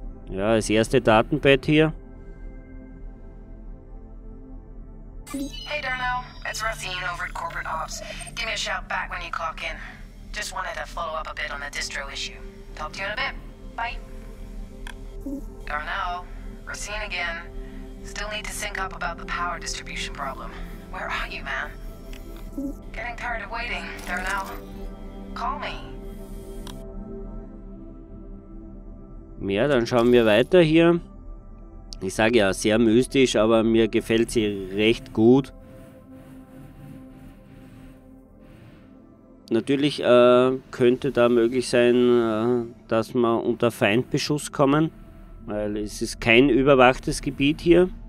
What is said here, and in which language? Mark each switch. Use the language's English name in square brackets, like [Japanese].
[German] Ja, das erste Datenbett hier. [English] Hey Derno, it's Racine over at Corporate Ops. Give me a shout back when you clock in. Just wanted to follow up a bit on the distro issue. Talk to you in a bit. Bye. Derno, Racine again. Still need to sync up about the power distribution problem. Where are you, man? Getting tired of waiting, Derno. Call me. [German] Ja, dann schauen wir weiter hier. Ich sage ja, sehr mystisch, aber mir gefällt sie recht gut. Natürlich könnte da möglich sein, dass wir unter Feindbeschuss kommen, weil es ist kein überwachtes Gebiet hier.